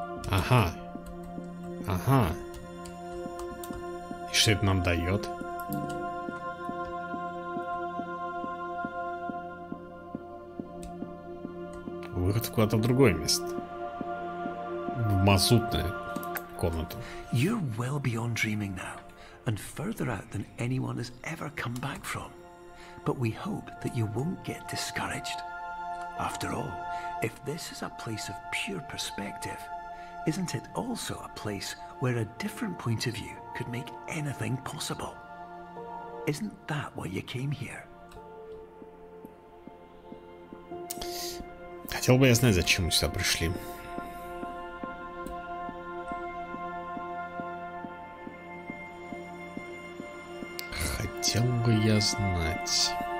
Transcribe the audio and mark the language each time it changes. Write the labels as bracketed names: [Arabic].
[Russian] Ага. Ага. И что это нам дает? Выход куда-то в другое место. В мазутную комнату. [English] You're well beyond dreaming now, and further out than anyone has ever come back from. But we hope that you won't get discouraged. After all, if this is a place of pure perspective, isn't it also a place where a different point of view could make anything possible? Isn't that why you came here? [Russian] Хотел бы я знать, зачем мы сюда пришли. Хотел бы я знать.